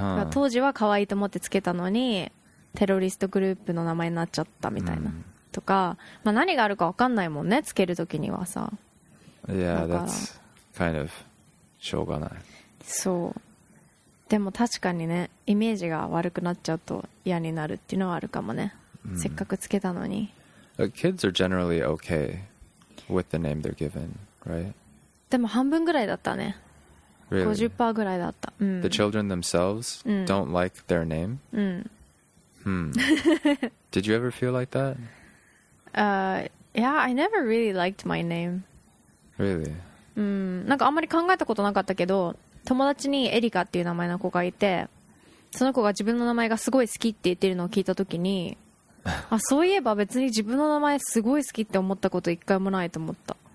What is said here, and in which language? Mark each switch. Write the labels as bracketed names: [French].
[Japanese] 当時は可愛いと思ってつけたのにテロリストグループの名前になっちゃったみたいな、とか、まあ、何があるか分かんないもんね、つけるときにはさ。 [English] Yeah, that's kind of [Japanese] しょうがない。そう、でも確かにね、イメージが悪くなっちゃうと嫌になるっていうのはあるかもね。せっかくつけたのに。 [English] Kids are generally okay with the name they're given, right? [Japanese] でも半分ぐらいだったね。 [English] Really? [Japanese] 50% ぐらいだった。 [English] The children themselves don't like their name? Did you ever feel like that? Yeah, I never really liked my name. Really? [Japanese] なんかあんまり考えたことなかったけど、友達にエリカっていう名前の子がいて、その子が自分の名前がすごい好きって言ってるのを聞いたときに、あ、そういえば別に自分の名前すごい好きって思ったこと一回もないと思った。